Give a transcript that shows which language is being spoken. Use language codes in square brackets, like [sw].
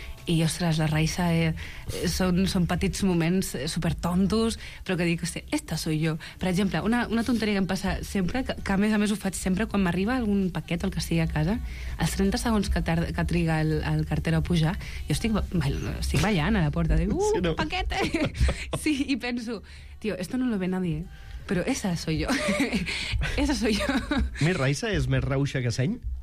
[ca] i, ostres, la Raïssa, són petits moments supertontos, però que dic, hòstia, [es] esta soy yo. [ca] Per exemple, una tonteria que em passa sempre, que a més ho faig sempre quan m'arriba algun paquet o el que sigui a casa, els 30 segons que triga el cartero a pujar, jo estic ballant a la porta, dic, [es] paquete! [ca] Sí, i penso, [es] tio, esto no lo ve nadie, [ca] però [es] esa soy yo. Esa soy yo. [ca] Més Raïssa és més rauxa que seny?